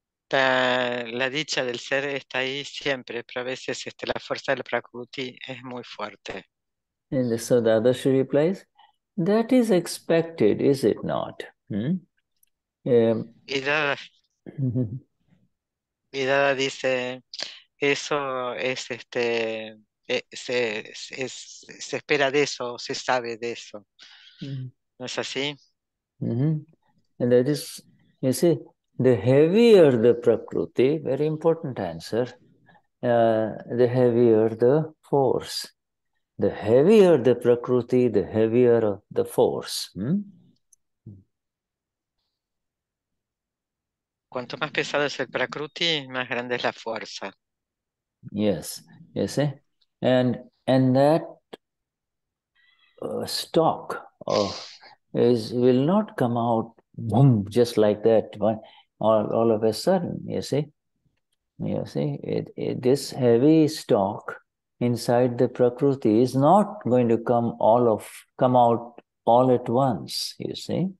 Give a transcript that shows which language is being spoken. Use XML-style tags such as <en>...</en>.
<es>La dicha del ser está ahí siempre, pero a veces la fuerza del prakruti es muy fuerte.</es> <en>And so the other Shri replies, that is expected, is it not? Hmm?</en> <es>Y Dada dice, eso es se espera de eso, se sabe de eso. Mm-hmm. ¿No es así? Mm-hmm.</es> <en>And that is, you see, the heavier the prakruti, very important answer, the heavier the force. The heavier the prakruti, the heavier the force. Hmm?</en> <es>Cuanto más pesado es el prakruti, más grande es la fuerza.</es> <en>Yes, you see? And that stock will not come out boom, just like that, all of a sudden, you see? You see, this heavy stock inside the prakruti is not going to come out all at once, you see?</en>